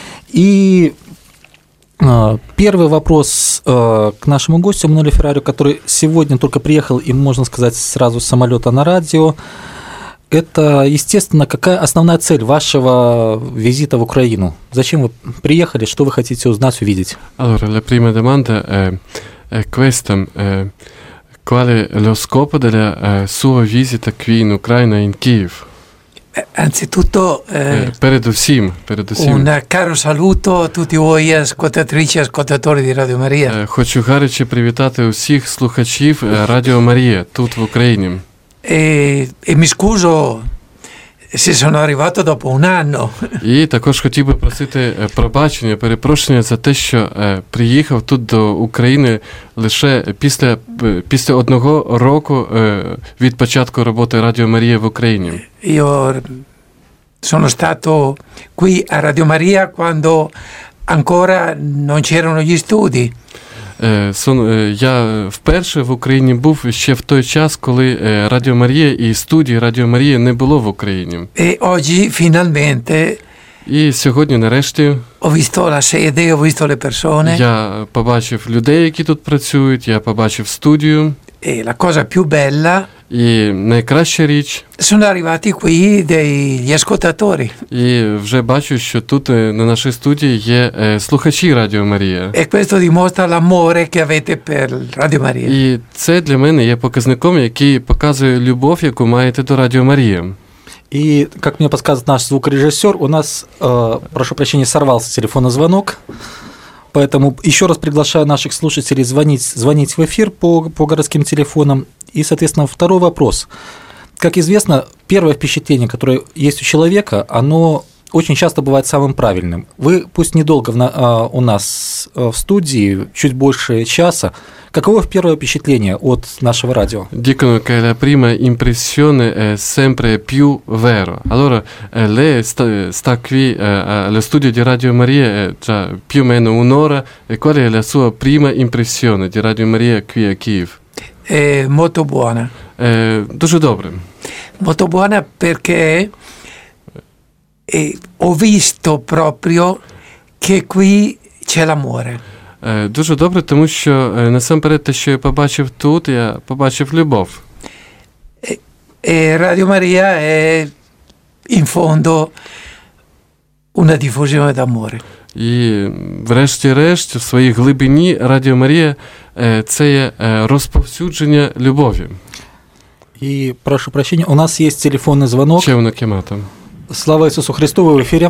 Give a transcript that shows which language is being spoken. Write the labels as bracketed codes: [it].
[ru] И первый вопрос к нашему гостю, Эммануэле Феррарию, который сегодня только приехал и, можно сказать, сразу с самолета на радио. Это, естественно, какая основная цель вашего визита в Украину? Зачем вы приехали, что вы хотите узнать, увидеть? [it] Allora, la prima domanda è questa. Qual è lo scopo della sua visita qui in Ucraina, in Kiev? Anzitutto, [uk] Передусім. [it] Un caro saluto a tutti voi, ascoltatrici e ascoltatori di Radio Maria. [uk] Хочу гаряче привітати усіх слухачів Радіо Марія тут в Україні. [it] E mi scuso se sono arrivato dopo un anno. [uk] І також хотів би просити пробачення, перепрошення за те, що приїхав тут до України лише після одного року від початку роботи Радіо Марія в Україні. [it] Io sono stato qui a Radio Maria quando ancora non c'erano gli studi. [uk] Я вперше в Україні був ще в той час, коли Радіо Марія і студії Радіо Марія не було в Україні. [it] E oggi finalmente. [uk] І сьогодні нарешті. [it] Ho visto la sede, ho visto le persone. [uk] Я побачив людей, які тут працюють, я побачив студію. [it] E la cosa più bella. [uk] І найкраща річ. [it] Sono arrivati qui degli ascoltatori. [uk] І вже бачу, що тут на нашій студії є слухачі Радіо Марія. [it] E questo dimostra l'amore che avete per Radio Maria. [uk] І це для мене є показником, який показує любов, яку маєте до Радіо Марія. І, як мені підказує наш звукорежисер, у нас, прошу прощення, сорвався телефонний дзвінок. [ru] Поэтому еще раз приглашаю наших слушателей звонить в эфир по городским телефонам. И, соответственно, второй вопрос. Как известно, первое впечатление, которое есть у человека, оно очень часто бывает самым правильным. Вы пусть недолго у нас в студии, чуть больше часа. Каково первое впечатление от нашего радио? [it] Dicono che la prima impressione è sempre più vero. Allora, lei sta qui allo studio di Radio Maria già più o meno un'ora. E qual è la sua prima impressione di Radio Maria qui a Kiev? È molto buona. [uk] Дуже добре. [it] Molto buona perché ho visto proprio che qui c'è l'amore. [uk] Дуже добре, тому що насамперед те, що я побачив тут, я побачив любов. [it] E Radio Maria è in fondo una diffusione d'amore. [uk] І врешті-решт в своїй глибині Радіо Марія – це є розповсюдження любові. І прошу прощення, у нас є телефонний дзвонок. Ще воно кімнатом. Слава Ісусу Христу, ви в ефірі.